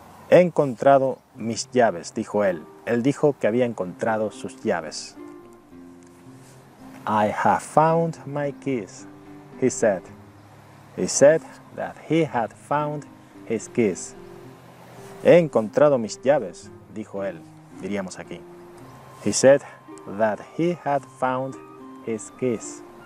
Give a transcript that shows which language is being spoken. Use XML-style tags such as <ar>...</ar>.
<es>He encontrado mis llaves, dijo él. Él dijo que había encontrado sus llaves.</es> <en>I have found my keys, he said. He said that he had found his keys.</en> <es>He encontrado mis llaves, dijo él, diríamos aquí.</es> <en>He said that he had found his keys.</en>